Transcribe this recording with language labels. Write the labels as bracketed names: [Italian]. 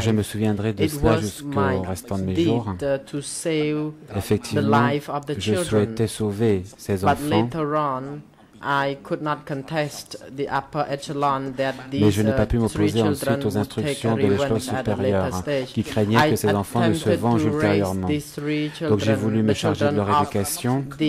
[French] Je me souviendrai de cela jusqu'au restant de mes jours. Effectivement, je souhaitais sauver ces [English] but [French] enfants. [English] Later on, I could not contest the upper echelon that these, [French] mais je n'ai pas pu m'opposer ensuite aux instructions de l'échelon supérieur qui craignait que ces enfants ne se vengent ultérieurement. Donc j'ai voulu me charger de leur éducation.